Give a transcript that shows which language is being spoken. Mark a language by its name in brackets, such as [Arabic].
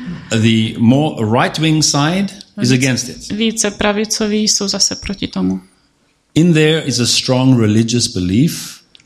[English] The more right-wing side is against it. [Czech] Více pravicoví jsou zase proti tomu. [English] In there is a strong religious belief.